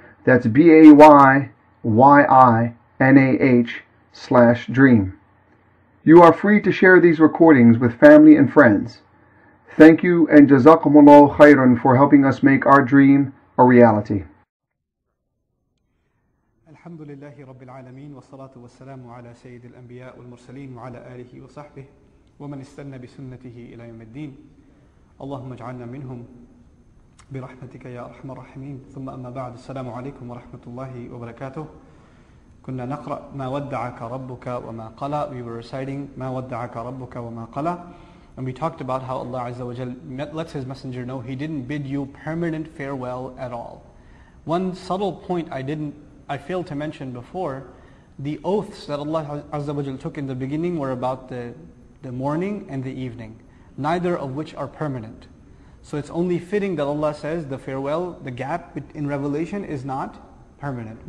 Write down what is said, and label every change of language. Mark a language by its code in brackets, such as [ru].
[en] That's BAYYINAH/dream. You are free to share these recordings with family and friends. Thank you and Jazakumullah Khairan for helping us make our dream a reality. [ar] الحمد لله رب العالمين والصلاة والسلام على سيد الأنبياء والمرسلين وعلى آله وصحبه ومن استنى بسنته إلى يوم الدين اللهم اجعلنا منهم برحمتك يا أرحم الراحمين ثم أما بعد السلام عليكم ورحمة الله وبركاته كنا نقرأ ما ودعك ربك وما قلى [en] we were reciting ما ودعك ربك وما قلى and we talked about how Allah عز وجل lets his messenger know he didn't bid you permanent farewell at all. One subtle point I failed to mention before, the oaths that Allah Azza wa Jal took in the beginning were about the morning and the evening, neither of which are permanent. So it's only fitting that Allah says the farewell, the gap in revelation is not permanent.